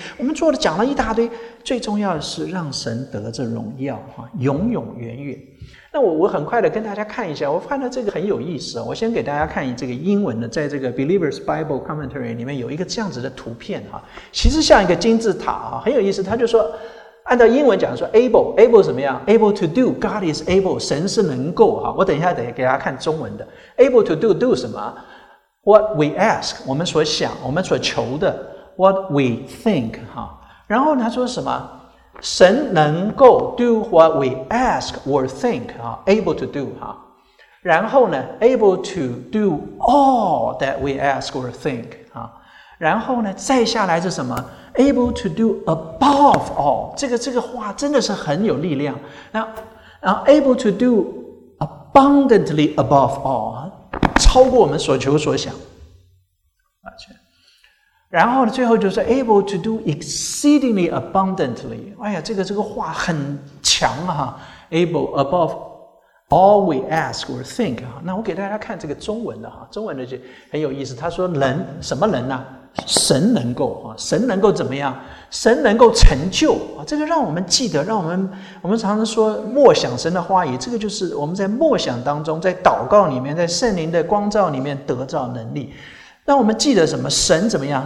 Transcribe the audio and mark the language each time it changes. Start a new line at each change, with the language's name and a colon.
Chinese: 我们做的讲了一大堆，最重要的是让神得着荣耀，永永远远。那我很快的跟大家看一下，我看到这个很有意思。我先给大家看这个英文的，在这个 Believer's Bible Commentary 里面有一个这样子的图片，其实像一个金字塔，很有意思。他就说，按照英文讲说 able 怎么样？
English: able to do， God is able，
Chinese: 神是能够。我等一下得给大家看中文的
English: able to do
Chinese: 什么？
English: what we ask，
Chinese: 我们所想，我们所求的，
English: what we think。
Chinese: 然后他说什么？神能够
English: do what we ask or think， able to do，
Chinese: 然后呢
English: able to do all that we ask or think，
Chinese: 然后呢再下来是什么？
English: Able to do above all，
Chinese: 这个话真的是很有力量。
English: Now able to do abundantly above all，
Chinese: 超过我们所求所想。然后呢，最后就是
English: able to do exceedingly abundantly。
Chinese: 哎呀，这个话很强啊
English: ，able above all we ask or think 啊。
Chinese: 那我给大家看这个中文的，中文的就很有意思。他说人什么人呢？神能够，神能够怎么样？神能够成就，这个让我们记得，让我们常常说默想神的话语，这个就是我们在默想当中，在祷告里面，在圣灵的光照里面得到能力。让我们记得什么？神怎么样？